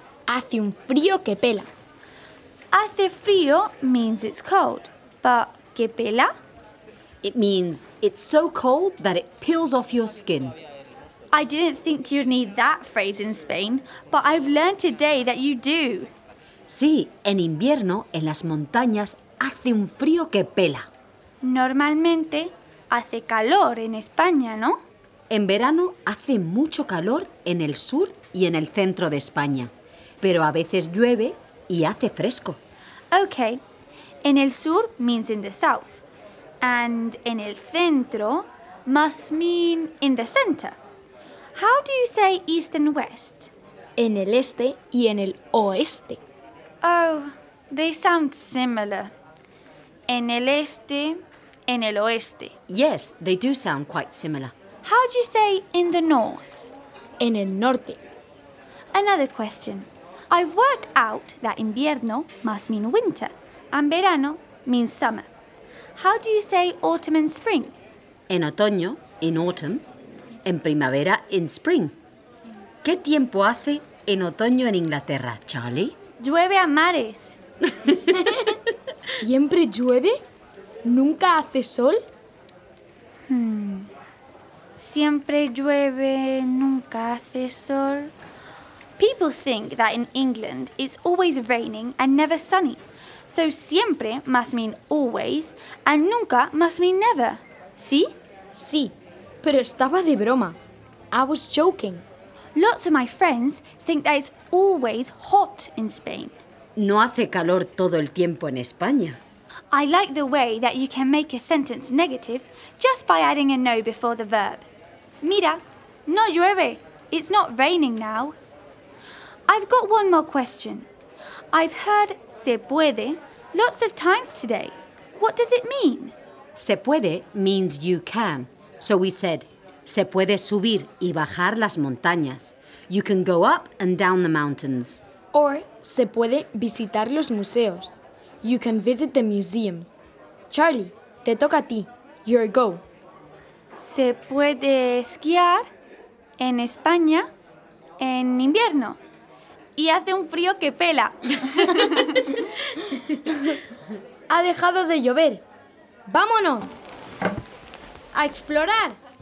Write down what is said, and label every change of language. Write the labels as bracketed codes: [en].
[es] Hace un frío que pela. Hace frío [en] means it's cold, but [es] que pela? [en] It means it's so cold that it peels off your skin. I didn't think you'd need that phrase in Spain, but I've learned today that you do. [es] Sí, en invierno, en las montañas, hace un frío que pela. Normalmente, hace calor en España, ¿no? En verano, hace mucho calor en el sur y en el centro de España. Pero a veces llueve y hace fresco. [en] Okay. [es] En el sur [en] means in the south. And [es] en el centro [en] must mean in the center. How do you say east and west? [es] En el este y en el oeste. [en] Oh, they sound similar. [es] En el este, en el oeste. [en] Yes, they do sound quite similar. How do you say in the north? [es] En el norte. [en] Another question. I've worked out that invierno must mean winter, and verano means summer. How do you say autumn and spring? [es] En otoño, [en] in autumn. [es] En primavera, en spring. ¿Qué tiempo hace en otoño en Inglaterra, Charlie? Llueve a mares. ¿Siempre llueve? ¿Nunca hace sol? Siempre llueve, nunca hace sol. [en] People think that in England it's always raining and never sunny. So siempre must mean always and nunca must mean never. ¿Sí? [es] Sí, pero estaba de broma. [en] I was joking. Lots of my friends think that it's always hot in Spain. [es] No hace calor todo el tiempo en España. [en] I like the way that you can make a sentence negative just by adding a no before the verb. [es] Mira, no llueve. [en] It's not raining now. I've got one more question. I've heard [es] se puede [en] lots of times today. What does it mean? [es] Se puede [en] means you can. So we said, [es] se puede subir y bajar las montañas. [en] You can go up and down the mountains. [es] Or se puede visitar los museos. [en] You can visit the museums. [es] Charlie, te toca a ti. [en] Your go. [es] Se puede esquiar en España en invierno. Y hace un frío que pela. Ha dejado de llover. ¡Vámonos! ¡A explorar!